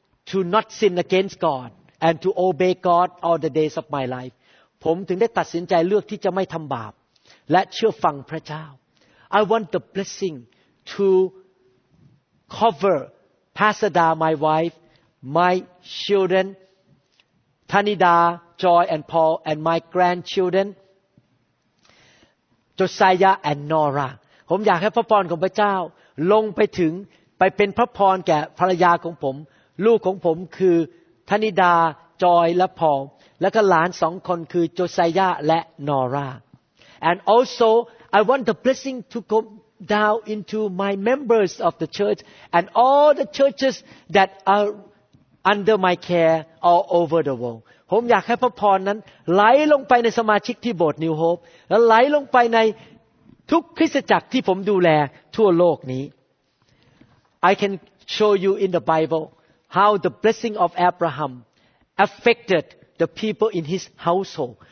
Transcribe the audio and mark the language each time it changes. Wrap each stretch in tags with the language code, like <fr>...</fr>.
<en>to not sin against God and to obey God all the days of my life</en> <th>ผมถึงได้ตัดสินใจเลือกที่จะไม่ทำบาปและเชื่อฟังพระเจ้า</th> <en>I want the blessing to cover Pasada, my wife, my children, Tanida, Joy and Paul, and my grandchildren, Josiah and Nora.</en> <th>ผมอยากให้พระพรของพระเจ้าลงไปถึงไปเป็นพระพรแก่ภรรยาของผมลูกของผมคือ Tanida, Joy และ Paul และก็หลานสองคนคือ Josiah และ Nora.</th> <en>And also,I want the blessing to go down into my members of the church and all the churches that are under my care all over the world.</en> <th>ผมอยากให้พระพรนั้นไหลลงไปในสมาชิกที่โบสถ์ New Hope และไหลลงไปในทุกคริสตจักรที่ผมดูแลทั่วโลกนี้</th> <en>I can show you in the Bible how the blessing of Abraham affected the people in his household.</en>